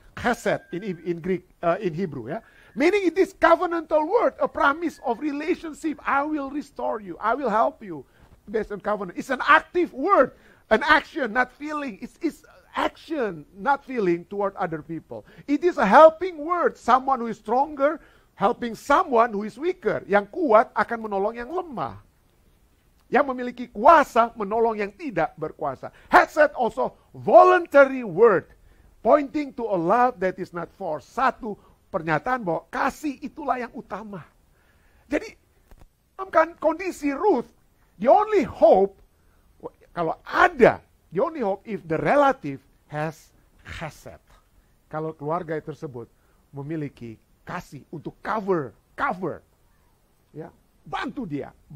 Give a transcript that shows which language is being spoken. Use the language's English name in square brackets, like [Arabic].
[English] chesed in Greek, in Hebrew, ya. Meaning it is covenantal word, a promise of relationship. I will restore you. I will help you based on covenant. It's an active word, an action, not feeling. It's action, not feeling toward other people. It is a helping word. Someone who is stronger helping someone who is weaker. [Indonesian] Yang kuat akan menolong yang lemah. Yang memiliki kuasa menolong yang tidak berkuasa. [English] Chesed also voluntary word, pointing to a love that is not forced. [Indonesian] Satu pernyataan bahwa kasih itulah yang utama. Jadi, dalam kondisi [English] Ruth, the only hope, [Indonesian] kalau ada, [English] the only hope if the relative has chesed. [Indonesian] Kalau keluarga tersebut memiliki kasih untuk cover, ya, bantu dia.